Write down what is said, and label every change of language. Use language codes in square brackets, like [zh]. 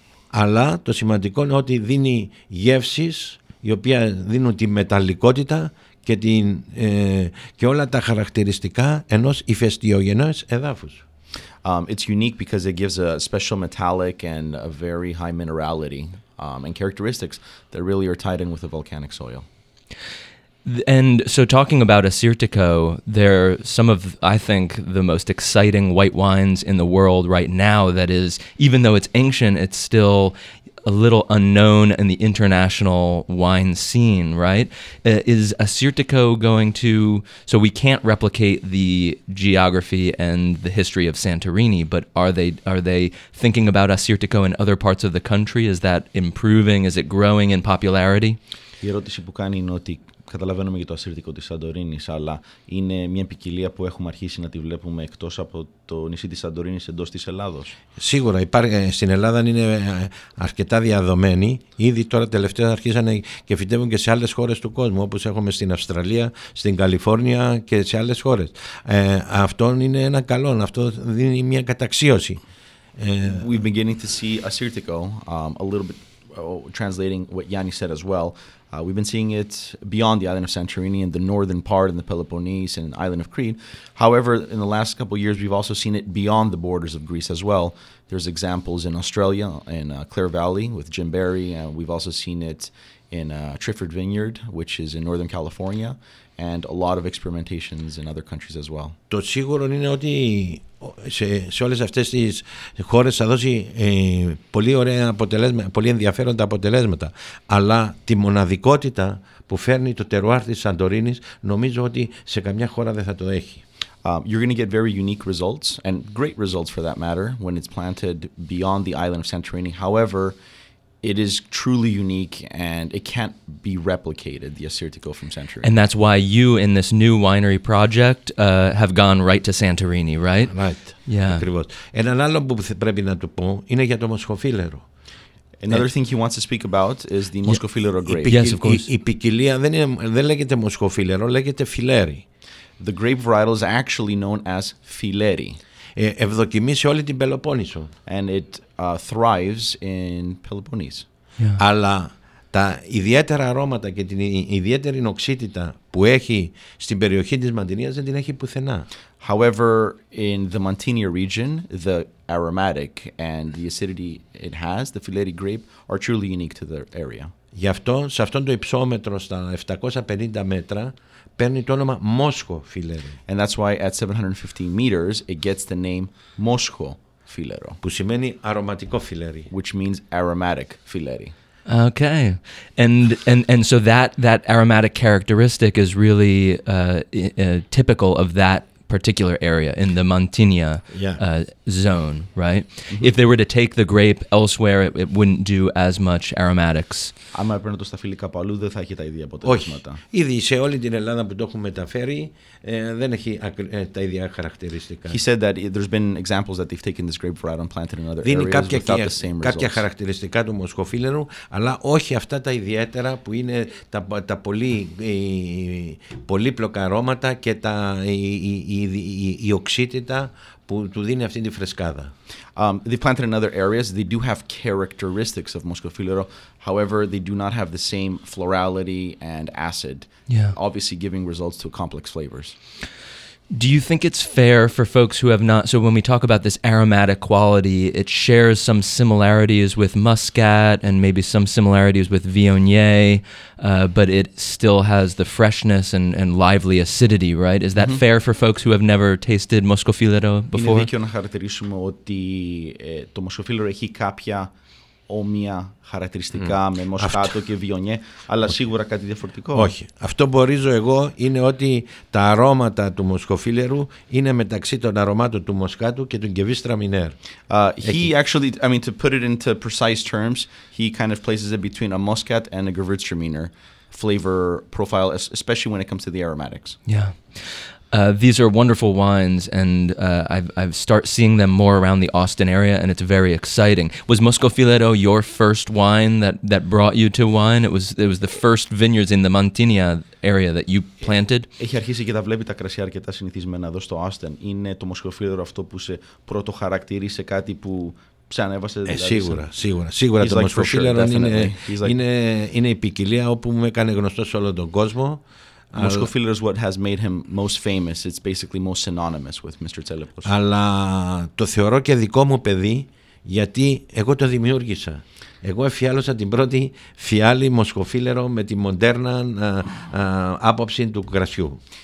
[el] Αλλά το σημαντικό είναι ότι δίνει γεύσεις οι οποίες δίνουν τη μεταλλικότητα και την και όλα τα χαρακτηριστικά ενός ηφαιστειογενής εδάφους. [en] It's unique because it gives a special metallic and a very high minerality and characteristics that really are tied in with the volcanic soil. And so talking about Assyrtiko, they're some of, I think, the most exciting white wines in the world right now. That is, even though it's ancient, it's still a little unknown in the international wine scene, right? Is Assyrtiko going to, so we can't replicate the geography and the history of Santorini, but are they thinking about Assyrtiko in other parts of the country? Is that improving? Is it growing in popularity? [el] Η ερώτηση που κάνει είναι ότι καταλαβαίνουμε για το Ασσύρτικο της Σαντορίνης, αλλά είναι μια ποικιλία που έχουμε αρχίσει να τη βλέπουμε εκτός από το νησί της Σαντορίνης εντός της Ελλάδος. Σίγουρα, στην Ελλάδα είναι αρκετά διαδομένη. Ήδη τώρα τελευταία αρχίσανε και φυτεύουν και σε άλλες χώρες του κόσμου, όπως έχουμε στην Αυστραλία, στην Καλιφόρνια και σε άλλες χώρες. Αυτό είναι ένα καλό, αυτό δίνει μια καταξίωση. [en] We've been getting to see Ασσύρτικο, a little bit translating what Yanni said as well. We've been seeing it beyond the island of Santorini in the northern part in the Peloponnese and island of Crete. However, in the last couple of years, we've also seen it beyond the borders of Greece as well. There's examples in Australia in Clare Valley with Jim Barry. We've also seen it in Trifford Vineyard, which is in Northern California, and a lot of experimentations in other countries as well. [el] Το σίγουρο είναι ότι σε όλες αυτές τις χώρες θα δώσει πολύ ωραία αποτελέσματα, πολύ ενδιαφέροντα αποτελέσματα. Αλλά τη μοναδικότητα που φέρνει το τερουάρ της Σαντορίνης, νομίζω ότι σε καμιά χώρα δεν θα το έχει. [en] You're going to get very unique results, and great results for that matter, when it's planted beyond the island of Santorini. However, it is truly unique and it can't be replicated, the Assyrtiko from Santorini. And that's why you, in this new winery project, have gone right to Santorini, right? Right. Yeah. [el] Ακριβώς. Έναν άλλο που πρέπει να του πω είναι για το Μοσχοφύλερο. [en] Another thing he wants to speak about is the Μοσχοφύλερο grape. Yes, of course. [el] Η ποικιλία δεν λέγεται Μοσχοφύλερο, λέγεται Φιλέρι. [en] The grape varietal is actually known as Φιλέρι. [el] Ευδοκιμεί σε όλη την Πελοπόννησο. [en] And it thrives in Peloponnese. Yeah. [el] Αλλά τα ιδιαίτερα αρώματα και την ιδιαίτερη οξύτητα που έχει στην περιοχή της Μαντινίας δεν την έχει πουθενά. [en] However, in the Mantinea region, the aromatic and the acidity it has, the Fileri grape, are truly unique to the area. [el] Γι' αυτό, σε αυτόν το υψόμετρο στα 750 μέτρα, παίρνει το όνομα Μόσχο Φιλέρι. [en] And that's why at 750 meters, it gets the name Μόσχο φιλέρο. [el] Που σημαίνει αρωματικό φιλέρι. [en] Which means aromatic φιλέρι. Okay, and so that aromatic characteristic is really typical of that particular area in the Montaigne zone, right? Mm-hmm. If they were to take the grape elsewhere, it wouldn't do as much aromatics. [el] Αν έπαιρνε το σταφύλι κάπου αλλού, δεν θα έχει τα ίδια αποτελέσματα. Όχι. Ήδη σε όλη την Ελλάδα που το έχουν μεταφέρει, δεν έχει τα ίδια χαρακτηριστικά. [en] He said that there's been examples that they've taken this grape variety and planted in other areas without the same results. [el] Δίνει κάποια χαρακτηριστικά του μοσχοφύλλερου, αλλά όχι αυτά τα ιδιαίτερα που είναι τα πολύ πολύπλοκα αρώματα και τα η οξύτητα που του δίνει αυτή τη φρεσκάδα. [en] They planted in other areas. They do have characteristics of Moscofilero. However, they do not have the same florality and acid, obviously giving results to complex flavors. Do you think it's fair for folks who have not... So when we talk about this aromatic quality, it shares some similarities with Muscat and maybe some similarities with Viognier, but it still has the freshness and lively acidity, right? Is that mm-hmm. fair for folks who have never tasted Moscofilero before? [el] Είναι δίκιο να χαρακτηρίσουμε ότι το Moscofilero έχει κάποια όμοια χαρακτηριστικά με Moscato και Viognier, αλλά σίγουρα κάτι διαφορετικό. Όχι. Αυτό που ορίζω εγώ είναι ότι τα αρώματα του Moscofilero είναι μεταξύ των αρωμάτων του Moscato και του Gewistra Miner. [en] To put it into precise terms, he kind of places it between a Muscat and a Gewistra Miner flavor profile, especially when it comes to the aromatics. Yeah. These are wonderful wines, and I've start seeing them more around the Austin area, and it's very exciting. Was Moscofilero your first wine that brought you to wine? It was the first vineyards in the Montaigne area that you planted. [el] Έχει αρχίσει και τα βλέπει τα κρασιά αρκετά συνηθισμένα εδώ στο Austin. Είναι το Moscofilero αυτό που σε πρώτο χαρακτήρισε κάτι που ψανέβασε. Σίγουρα. Το Moscofilero είναι η ποικιλία όπου με έκανε γνωστό σε όλο τον κόσμο. [en] Moscofilero is what has made him most famous. It's basically most synonymous with Mr. Tselepos. [el] Αλλά το θεωρώ και δικό μου παιδί, γιατί εγώ το δημιούργησα. Εγώ εφιάλωσα την πρώτη φιάλη Moscofilero με τη μοντέρνα άποψη του κρασιού.